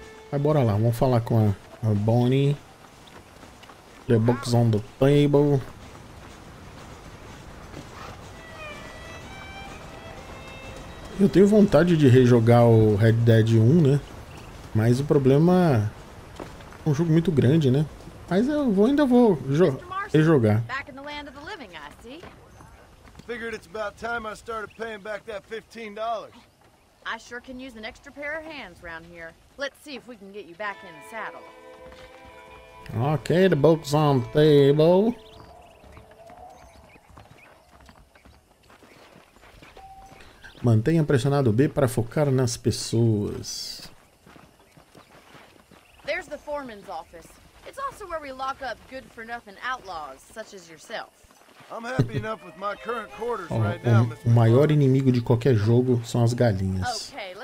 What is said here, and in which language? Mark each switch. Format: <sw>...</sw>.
<pt>Mas bora lá, vamos falar com a Bonnie.</pt> <en>The box on the table.</en> <pt>Eu tenho vontade de rejogar o Red Dead 1, né? Mas o problema é um jogo muito grande, né? Mas eu vou, ainda vou rejogar.</pt> <en>Back in the land of the living, I see. Figured it's about time I started paying back that $15. I sure can use an extra pair of hands around here. Let's see if we can get you back in the saddle. Okay, the book's on the table.</en> <pt>Mantenha pressionado B para focar nas pessoas.</pt> <en>There's the foreman's office. It's also where we lock up good-for-nothing outlaws, such as yourself. I'm happy enough with my current quarters right now, Mr.</en> <pt>O maior inimigo de qualquer jogo são as galinhas.</pt>